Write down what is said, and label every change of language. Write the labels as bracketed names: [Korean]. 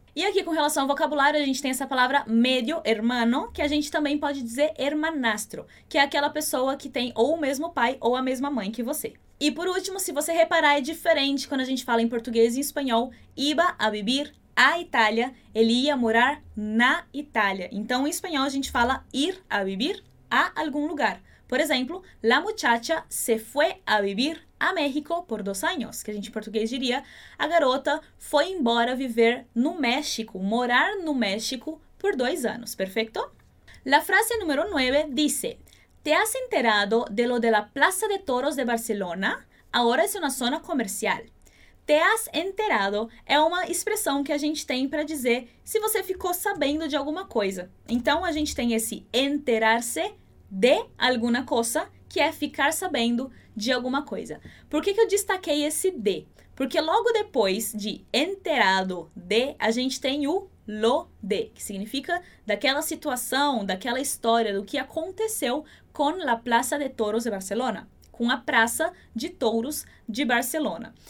[Portuguese] E aqui, com relação ao vocabulário, a gente tem essa palavra medio hermano, que a gente também pode dizer hermanastro, que é aquela pessoa que tem ou o mesmo pai ou a mesma mãe que você. E por último, se você reparar, é diferente quando a gente fala em português e em espanhol. [Spanish] Iba a vivir a Itália. [Portuguese] Ele ia morar na Itália. Então, em espanhol, a gente fala [Spanish] ir a vivir a [Portuguese] algum lugar. Por exemplo, [Spanish] la muchacha se fue a vivir a México por 2 años. [Portuguese] Que a gente em português diria, a garota foi embora viver no México, morar no México por 2 anos. Perfeito? [Spanish] La frase número 9 dice... ¿Te has enterado de lo de la Plaza de Toros de Barcelona? Ahora es una zona comercial. [Portuguese] Te has enterado é uma expressão que a gente tem para dizer se você ficou sabendo de alguma coisa. Então, a gente tem esse enterar-se de alguna cosa, que é ficar sabendo de alguma coisa. Por que, que eu destaquei esse de? Porque logo depois de enterado de, a gente tem o lo de, que significa daquela situação, daquela história, do que aconteceu com la Plaza de Toros de Barcelona, com a Praça de Touros de Barcelona.